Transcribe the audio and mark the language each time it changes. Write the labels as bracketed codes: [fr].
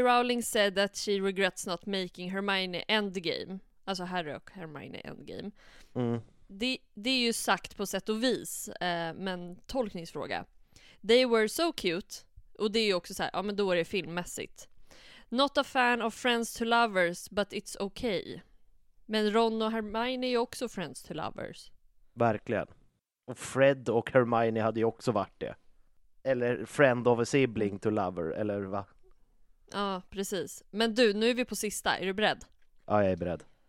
[en] Rowling said that she regrets not making Hermione endgame. [sv] Alltså Harry och Hermione endgame. Mm. Det är ju sagt på sätt och vis, men tolkningsfråga. [en] They were so cute, [sv] och det är ju också så här, ja men då är det filmmässigt. [en] Not a fan of friends to lovers, but it's okay. [sv] Men Ron och Hermione är ju också friends to lovers. Verkligen. Och Fred och Hermione hade ju också varit det. Eller friend of a sibling to lover, eller va? Ja, precis. Men du, nu är vi på sista. Är du beredd? Ja, jag är beredd.